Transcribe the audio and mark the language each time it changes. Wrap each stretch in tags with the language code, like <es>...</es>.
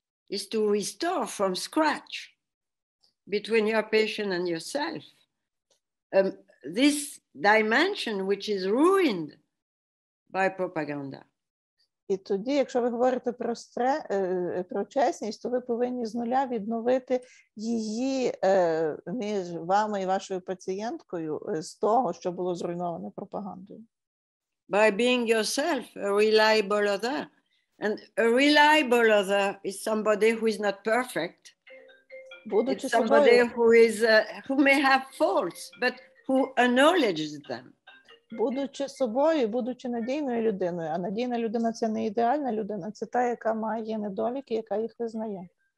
<en>Is to restore from scratch between your patient and yourself this dimension which is ruined by propaganda.</en> <uk>І тоді, якщо ви говорите про про чесність, то ви повинні з нуля відновити її між вами і вашою пацієнткою з того, що було зруйновано пропагандою.</uk> <en>By being yourself, a reliable other. And a reliable other is somebody who is not perfect.</en> <uk>Будучи</uk> <en>it's somebody who is who may have faults, but who acknowledges them.</en> <uk>Будучи собою, будучи надійною людиною, а надійна людина це не ідеальна людина, це та, яка має недоліки, яка їх визнає.</uk>